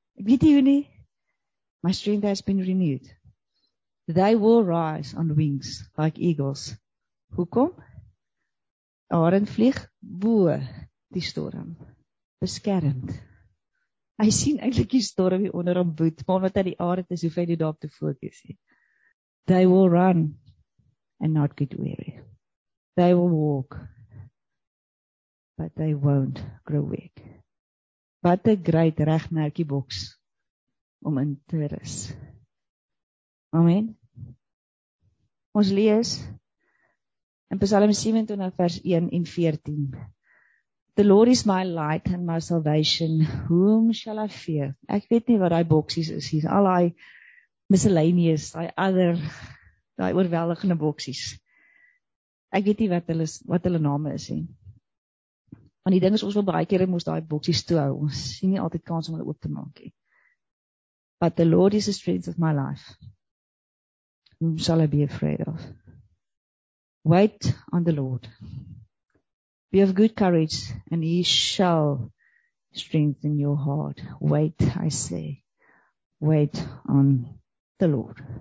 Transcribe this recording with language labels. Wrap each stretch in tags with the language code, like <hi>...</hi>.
<af>Ek weet nie hoe nie.</af> <en>My strength has been renewed. They will rise on wings like eagles.</en> <af>Hoekom? Arend vlieg bo die storm. Beskermd. Hy sien eintlik die storm hier onder hom woed, maar omdat hy die arend is, hoef hy nie daarop te fokus nie.</af> <en>They will run and not get weary. They will walk, but they won't grow weak.</en> <af>Wat 'n great regmerkie boks om in te rus. Amen. Ons lees in Psalm 27 vers 1 en 14.</af> <en>The Lord is my light and my salvation. Whom shall I fear?</en> <af>Ek weet nie wat die boksies is. Hier is al die miscellaneous, die other, die oorweldigende boksies. Ek weet nie wat hulle name is. He. Want die ding is, ons wil baie keer moes die boksies toe hou. Ons sien nie altyd kans om hulle oop te maak. He.</af> <en>But the Lord is the strength of my life. Whom shall I be afraid of? Wait on the Lord. Be of good courage, and he shall strengthen your heart. Wait, I say. Wait on the Lord.</en>